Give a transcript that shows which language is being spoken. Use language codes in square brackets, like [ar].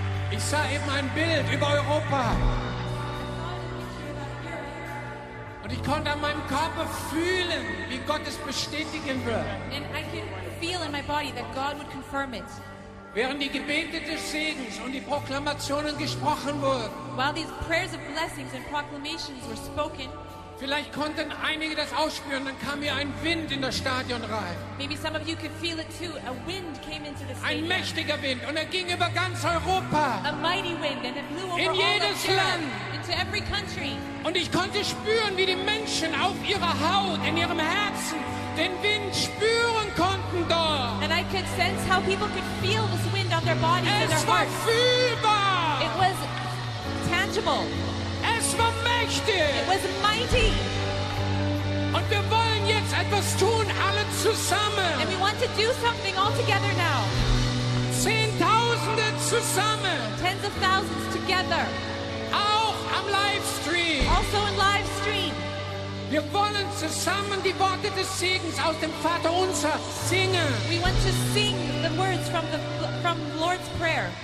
[de] Ich sah eben ein Bild über Europa. Und ich konnte an meinem Körper fühlen, wie Gott es bestätigen wird. [en] And I could feel in my body that God would confirm it. [de] Während die Gebete des Segens und die Proklamationen gesprochen wurden. [en] While these prayers of blessings and proclamations were spoken. [de] Vielleicht konnten einige das ausspüren, dann kam hier ein Wind in das Stadion rein. [en] Maybe some of you could feel it too. A wind came into the stadium. [de] Ein mächtiger Wind, und er ging über ganz Europa. [en] A mighty wind, and it blew over [de] in jedes [en] all of [de] Land. [en] Into every country. [de] Und ich konnte spüren, wie die Menschen auf ihrer Haut, in ihrem Herzen, den Wind spüren konnten dort. [en] And I could sense how people could feel this wind on their bodies and their hearts. [de] Es war fühlbar. [en] It was tangible. [de] Es war mächtig. [en] It was mighty. [de] Und wir wollen jetzt etwas tun, alle zusammen. [en] And we want to do something all together now. [de] Zehntausende zusammen. [en] Tens of thousands together. [de] Auch am Livestream. [en] Also in Livestream. [de] Wir wollen zusammen die Worte des Segens aus dem Vater Unser singen. [en] We want to sing the words from the Lord's Prayer.